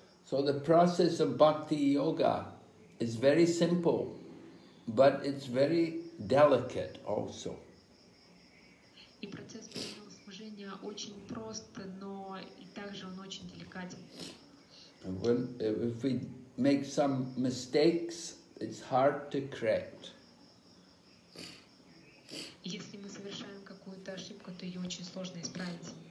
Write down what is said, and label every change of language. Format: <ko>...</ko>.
<en>So the process of bhakti yoga is very simple, but it's very delicate also.</en> <ru>И процесс преданного служения очень прост, но и также он очень деликатен.</ru> <en>When if we make some mistakes, it's hard to correct.</en> <ru>Если мы совершаем какую-то ошибку, то ее очень сложно исправить.</ru>